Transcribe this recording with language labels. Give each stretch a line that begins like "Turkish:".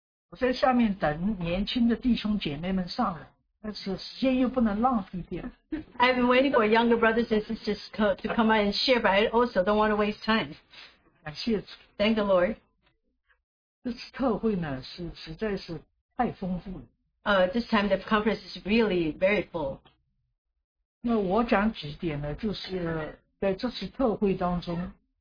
Chinese: 我在下面等年轻的弟兄姐妹们上来，但是时间又不能浪费掉。
English: I've been waiting for younger brothers and sisters to come out and share, but I also don't want to waste time.
Chinese: 感谢主。
English: Thank the Lord.
Chinese: 这次特会呢是实在是太丰富了。
English: This time the conference is really very full.
Chinese: 那我讲几点呢，就是在这次特会当中。